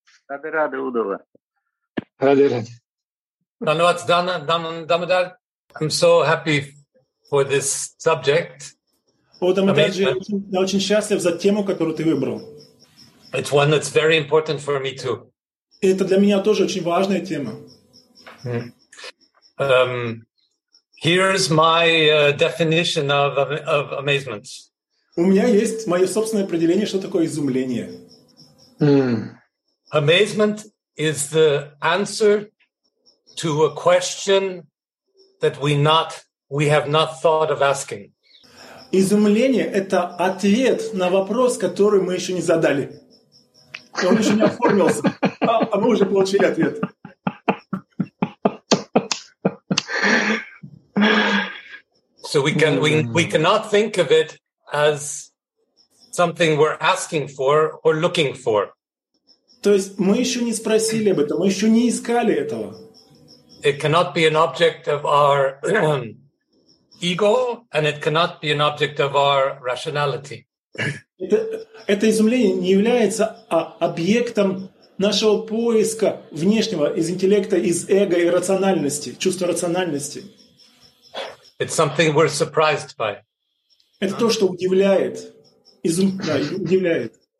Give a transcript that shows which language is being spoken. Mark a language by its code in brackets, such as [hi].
[en] Rade, Rade, Udova. Rade, Rade. Danuat, Dana, Danan, Damodar. I'm so happy for this subject. [ru] Oh, Damodar, я очень счастлив за тему, которую ты выбрал. [en] It's one that's very important for me too. [ru] Это для меня тоже очень важная тема. [en] Here's my definition of amazement. [ru] У меня есть мое собственное определение, что такое изумление. [en] Amazement is the answer to a question that we have not thought of asking. [ru] Изумление — это ответ на вопрос, который мы еще не задали. Он еще не оформился, а мы уже получили ответ. [en] So we cannot think of it as something we're asking for or looking for. [ru] То есть мы еще не спросили об этом, мы еще не искали этого. [en] It cannot be an object of our ego, and it cannot be an object of our rationality. [ru] Это изумление не является объектом нашего поиска внешнего, из интеллекта, из эго и рациональности, чувства рациональности. [en] It's something we're surprised by. [ru] Это то, что удивляет, удивляет.